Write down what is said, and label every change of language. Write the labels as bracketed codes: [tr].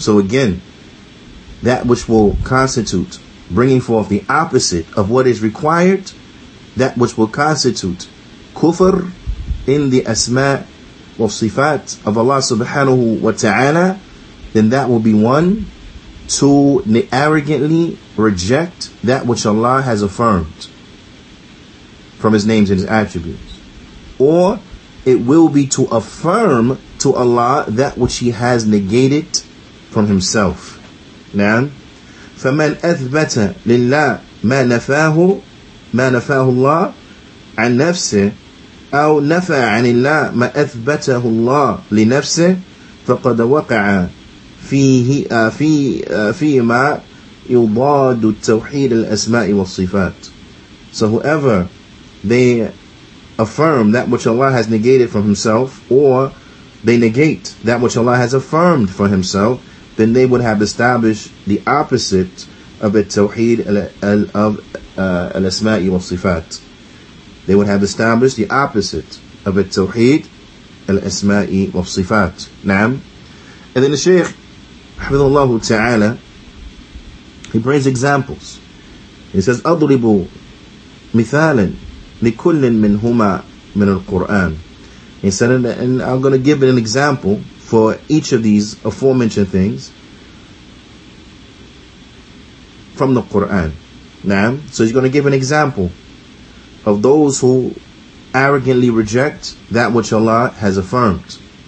[en] So again, that which will constitute bringing forth the opposite of what is required, that which will constitute kufr in the asma' wa sifat of Allah subhanahu wa ta'ala, then that will be one, to arrogantly reject that which Allah has affirmed from His names and His attributes. Or it will be to affirm to Allah that which He has negated from Himself. Naam. [ar] فَمَنْ أَثْبَتَ لِلَّهِ مَا نَفَاهُ مَا نَفَاهُ اللَّهِ عَنْ نَفْسِهِ أَوْ نَفَى عَنِ اللَّهِ مَا أَثْبَتَهُ اللَّهِ لِنَفْسِهِ فَقَدْ وَقَعَ فِيهِ مَا يُضَادُ التَّوْحِيدِ الْأَسْمَاءِ وَالصِّفَاتِ. [en] So whoever they affirm that which Allah has negated from himself, or they negate that which Allah has affirmed for himself, then they would have established the opposite of the tawheed of al-asma'i wa-sifat. They would have established the opposite of the tawheed al-asma'i wa-sifat. Naam. And then the Shaykh, حفظه ta'ala, he brings examples. He says, [ar] أَضْرِبُ مِثَالًا لِكُلٍ مِنْهُمَا مِنَ الْقُرْآنِ. [en] He said, and I'm going to give an example for each of these aforementioned things from the Qur'an. Naam. So he's going to give an example of those who arrogantly reject that which Allah has affirmed.